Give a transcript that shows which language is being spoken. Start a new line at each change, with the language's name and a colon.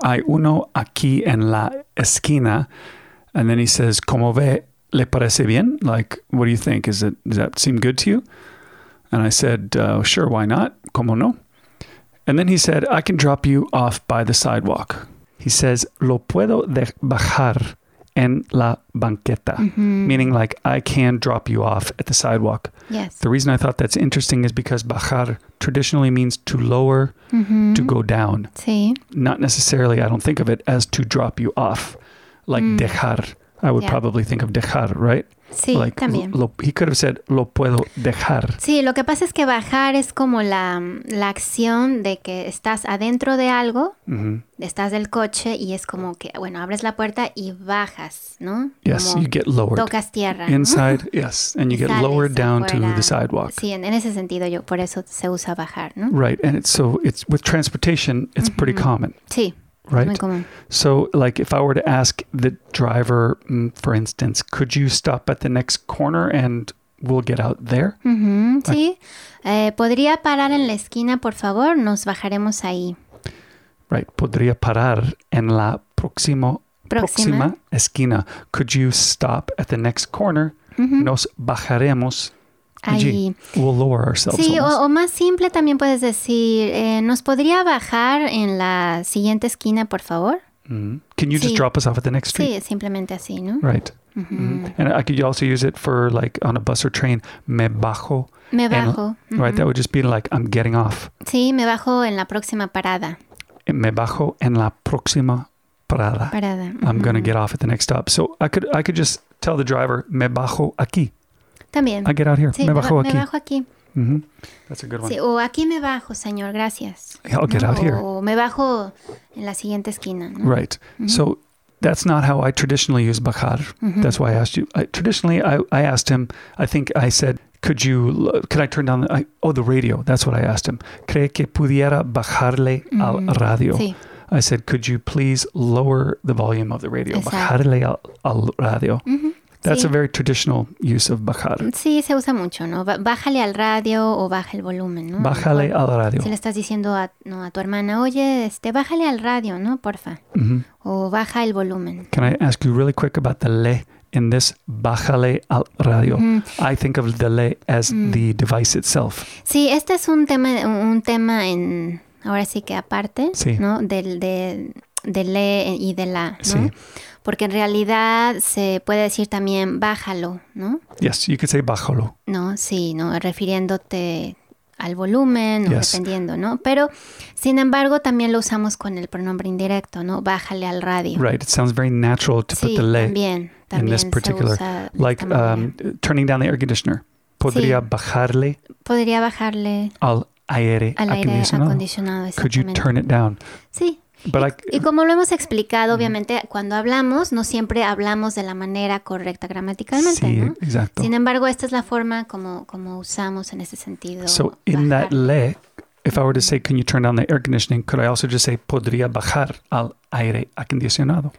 Spanish: Hay uno aquí en la esquina.
English: And then he says,
Spanish: ¿Cómo ve? ¿Le parece bien?
English: Like, what do you think? Is it, does that seem good to you? And I said, sure, why not?
Spanish: ¿Cómo no?
English: And then he said, I can drop you off by the sidewalk. He says,
Spanish: lo puedo bajar en la banqueta. Mm-hmm.
English: Meaning like, I can drop you off at the sidewalk. Yes. The reason I thought that's interesting is because bajar traditionally means to lower, to go down.
Spanish: Sí.
English: Not necessarily, I don't think of it as to drop you off. Like dejar, I would probably think of dejar, right?
Spanish: Sí,
English: like,
Spanish: también.
English: He could have said,
Spanish: lo puedo dejar. Sí, lo que pasa es que bajar es como la acción de que estás adentro de algo, estás del coche y es como que, bueno, abres la puerta y bajas, ¿no?
English: Yes,
Spanish: como
English: you get lowered.
Spanish: Tocas tierra.
English: Inside, yes, and you get lowered down afuera. To the sidewalk.
Spanish: Sí, en ese sentido yo, por eso se usa bajar, ¿no?
English: Right, and it's with transportation, it's pretty common.
Spanish: Sí.
English: Right? So, like, if I were to ask the driver, for instance, could you stop at the next corner and we'll get out there?
Spanish: Sí. ¿Podría parar en la esquina, por favor? Nos bajaremos ahí. Right. ¿Podría parar en la próxima esquina?
English: Could you stop at the next corner?
Spanish: Nos bajaremos ahí.
English: We'll lower ourselves.
Spanish: Sí, o más simple también puedes decir, ¿nos podría bajar en la siguiente esquina, por favor?
English: Can you just drop us off at the next street?
Spanish: Sí, simplemente así, ¿no?
English: Right. And I could also use it for like on a bus or train,
Spanish: me bajo. Me bajo.
English: Right, that would just be like, I'm getting off.
Spanish: Sí, me bajo en la próxima parada. Me bajo en la próxima parada. Parada.
English: I'm going to get off at the next stop. So I could just tell the driver,
Spanish: me bajo aquí. También.
English: I get out here.
Spanish: Sí, me bajo aquí. Me bajo aquí.
English: That's a good one.
Spanish: Sí, o aquí me bajo, señor. Gracias.
English: I'll get out here.
Spanish: O me bajo en la siguiente esquina, ¿no?
English: Right. So that's not how I traditionally use bajar. That's why I asked you. I asked him, I think I said, could I turn down the radio. That's what I asked him.
Spanish: ¿Cree que pudiera bajarle al radio? Sí.
English: I said, could you please lower the volume of the radio?
Spanish: Exacto. Bajarle al radio. That's sí.
English: a very traditional use of bajar.
Spanish: Sí, se usa mucho, ¿no? Bájale al radio o baja el volumen, ¿no? Bájale al radio. Si le estás diciendo a tu hermana, oye, bájale al radio, ¿no? Porfa. O baja el volumen.
English: Can I ask you really quick about the le in this
Spanish: bájale al radio?
English: I think of the le as the device itself.
Spanish: Sí, este es un tema en, ahora sí que aparte, sí. ¿no? De le y de la, ¿no? Sí. Porque en realidad se puede decir también bájalo, ¿no?
English: Yes, you could say bájalo.
Spanish: No, sí, ¿no? Refiriéndote al volumen,
English: yes.
Spanish: o dependiendo, ¿no? Pero, sin embargo, también lo usamos con el pronombre indirecto, ¿no? Bájale al radio.
English: Right, it sounds very natural to
Spanish: sí,
English: put the le
Spanish: también
English: in this particular.
Spanish: Se usa
English: like turning down the air conditioner. ¿Podría
Spanish: sí. bajarle? Podría bajarle. Al aire acondicionado, exactamente.
English: Could you turn it down?
Spanish: Sí. Y como lo hemos explicado, obviamente, cuando hablamos, no siempre hablamos de la manera correcta gramaticalmente, sí, ¿no? Exacto. Sin embargo, esta es la forma como usamos en ese sentido.
English: So,
Spanish: bajar.
English: In that le, if I were to say, can you turn down the air conditioning, could I also just say,
Spanish: podría bajar al aire acondicionado?